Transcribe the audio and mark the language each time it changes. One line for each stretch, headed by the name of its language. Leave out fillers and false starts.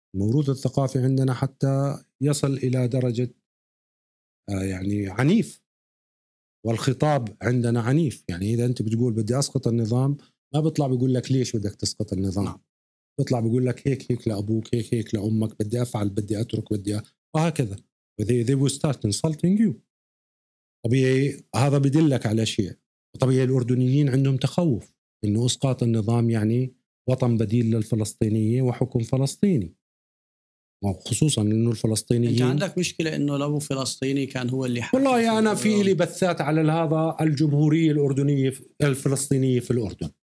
Arabic: الموروث الثقافي عندنا حتى يصل الى درجه يعني عنيف، والخطاب عندنا عنيف. يعني اذا انت بتقول بدي اسقط النظام، ما بيطلع بيقول لك ليش بدك تسقط النظام. نعم. بيطلع بيقول لك هيك هيك لأبوك، هيك هيك لأمك، بدي أفعل، بدي أترك، بدي وهكذا.
English: they will start insulting you.
Arabic: طبيعي هذا بيدلك على شيء. طبيعي الأردنيين عندهم تخوف إنه أسقاط النظام يعني وطن بديل للفلسطينيين وحكم فلسطيني، خصوصا إنه الفلسطينيين. أنت عندك مشكلة إنه لو فلسطيني كان هو اللي حكم؟ والله أنا في لي بثات على هذا، الجمهورية الأردنية الفلسطينية في الأردن.